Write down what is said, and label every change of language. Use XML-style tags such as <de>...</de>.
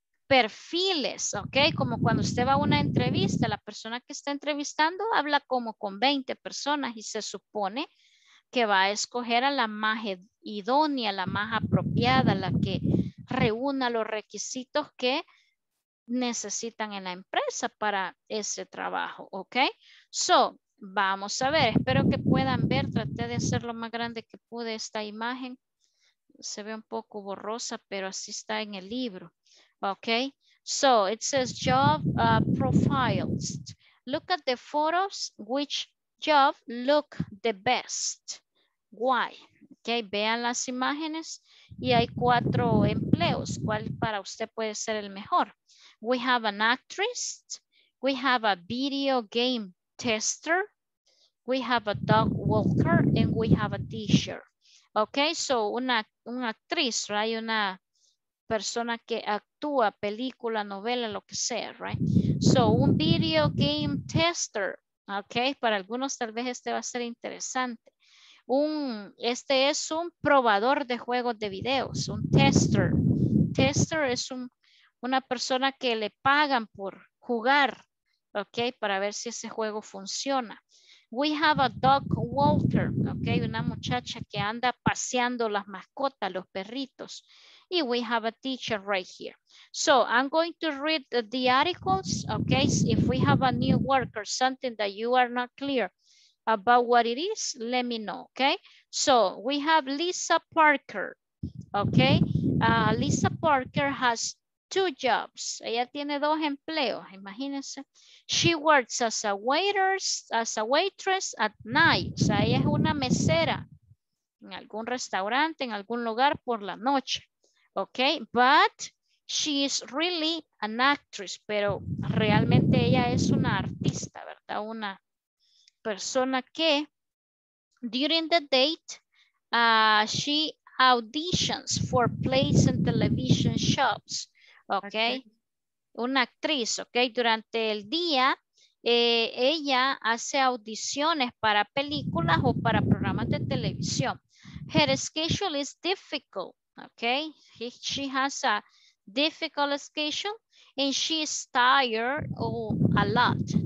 <es>Perfiles, ok, como cuando usted va a una entrevista, la persona que está entrevistando habla como con 20 personas y se supone que va a escoger a la más idónea, la más apropiada, la que reúna los requisitos que necesitan en la empresa para ese trabajo, ok. So, vamos a ver, espero que puedan ver, traté de hacer lo más grande que pude esta imagen, se ve un poco borrosa, pero así está en el libro.</es> <en>Okay, so it says job profiles. Look at the photos, which job look the best? Why?</en> <es>Okay, vean las imágenes y hay cuatro empleos. ¿Cuál para usted puede ser el mejor?</es> <en>We have an actress. We have a video game tester. We have a dog walker. And we have a teacher. Okay, so</en> <es>una actriz,</es> <en>right?</en> <es>Una persona que actúa, película, novela, lo que sea, right?</es> <en>So un video game tester, okay?</en> <es>Para algunos tal vez este va a ser interesante. Este es un probador de juegos de videos, un tester. Tester es una persona que le pagan por jugar, okay? Para ver si ese juego funciona.</es> <en>We have a dog walker, okay?</en> <es>Una muchacha que anda paseando las mascotas, los perritos.</es> <en>Y we have a teacher right here. So I'm going to read the articles, okay? If we have a new word or something that you are not clear about what it is, let me know, okay? So we have Lisa Parker, okay? Lisa Parker has two jobs.</en> <es>Ella tiene dos empleos, imagínense.</es> <en>She works as a waitress at night.</en> <es>O sea, ella es una mesera en algún restaurante, en algún lugar por la noche.</es> <en>Okay, but she is really an actress.</en> <es>Pero realmente ella es una artista, ¿verdad? Una persona que</es> <en>during the date, she auditions for plays and television shows. Okay.</en> <es>Okay, una actriz, okay, durante el día ella hace audiciones para películas o para programas de televisión.</es> <en>Her schedule is difficult, okay, she has a difficult schedule and she is tired a lot.</en>